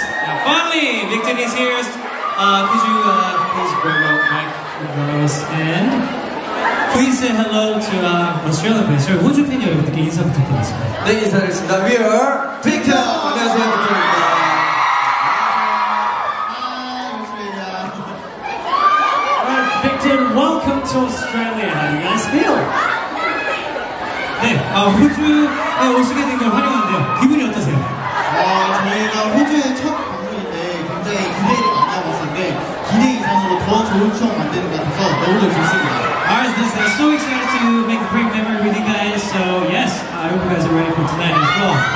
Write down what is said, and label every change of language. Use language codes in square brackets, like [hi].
[en] Now, finally, VICTON is here. Could you please bring up Mike and Rose and please say hello to Australia, please. [ko] Sorry, 호주 팬 여러분들께 인사 부탁드리겠습니다. 네, 인사드리겠습니다. [en] We are VICTON! [ko] 안녕하세요, 빅톤입니다. 안녕하세요. [en] All right, VICTON, welcome to Australia. How do you guys feel? [ko] 네, 호주에 오시게 된 걸 환영하는데요. 기분이 어떠세요? 저희가 호주의 첫 방송인데 굉장히 기대를 많이 하고 있었는데 기대 이상으로 더 좋은 추억 만드는 것 같아서 너무 좋습니다. [en] Alright, this is so excited to make a great memory with you guys. So yes, I hope you guys are ready for tonight as well.